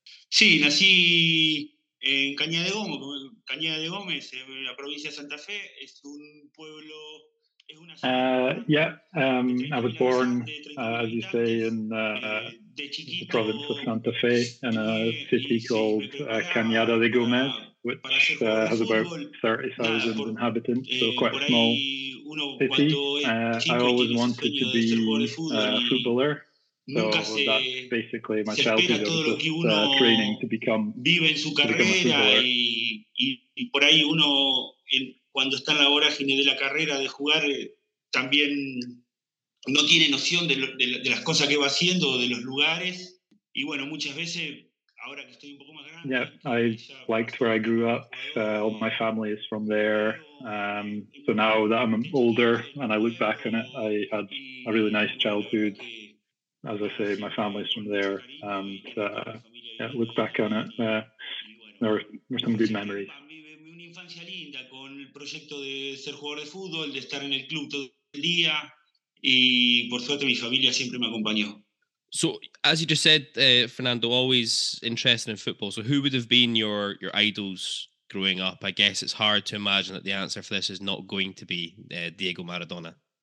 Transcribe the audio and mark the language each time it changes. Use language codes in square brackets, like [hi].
[es] Sí, nací en Caña de Gomo, Cañada de Gómez, la provincia de Santa Fe, es un pueblo. [en] I was born, as you say, in the province of Santa Fe, in a city called Cañada de Gómez, which has about 30,000 inhabitants, so quite a small city. I always wanted to be a footballer, so that's basically my childhood, just training to become a footballer. [es] Y por ahí uno, cuando está en la vorágine de la carrera, de jugar, también no tiene noción de las cosas que va haciendo, de los lugares. Y bueno, muchas veces, ahora que estoy un poco más grande... [en] Yeah, I liked where I grew up. All my family is from there. So now that I'm older and I look back on it, I had a really nice childhood. As I say, my family is from there. And look back on it. There were some good memories. [es] Una infancia linda con el proyecto de ser jugador de fútbol, de estar en el club todo el día, y por suerte mi familia siempre me acompañó. [en] So, as you just said, Fernando, always interested in football. So, who would have been your idols growing up? I guess it's hard to imagine that the answer for this is not going to be Diego Maradona.